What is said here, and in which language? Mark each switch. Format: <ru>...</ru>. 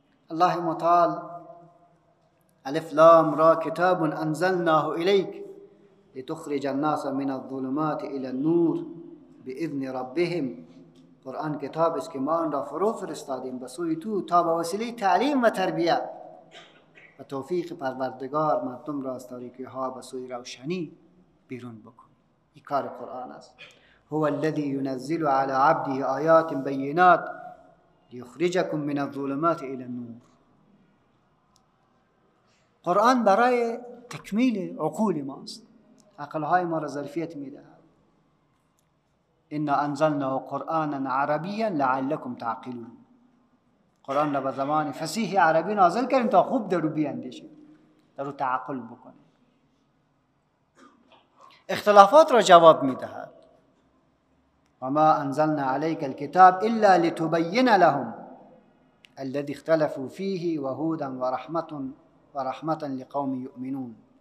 <ar>الله متعال الف لام را کتاب انزلناه الیک لتخرج الناس من الظلمات الى النور باذن ربهم.</ar> <fa>قرآن کتاب است که ما آن را فرو فرستادیم به سوی تو تا به وسیله تعلیم و تربیت و توفیق پروردگار مردم را از تاریکی ها به سوی روشنی بیرون بکن. این کار قرآن است.</fa> <ar>هو الذی ينزل على عبده آیات بینات لیخرجکم من الظلمات الى النور.</ar> <fa>قرآن برای تکمیل عقول ماست، عقلهای ما را ظرفیت میدهد.</fa> <ar>انا انزلناه قرآنا عربیا لعلكم تعقلون.</ar> <fa>قرآن را به زمان فصیح عربی نازل کردیم تا خوب درو بیاندیشید، درو تعقل بکنید. اختلافات را جواب میدهد.</fa> <ar>و ما انزلنا عليك الكتاب الا لتبين لهم الذي اختلفوا فيه وهدى ورحمه و رحمتا لقوم یؤمنون.</ar>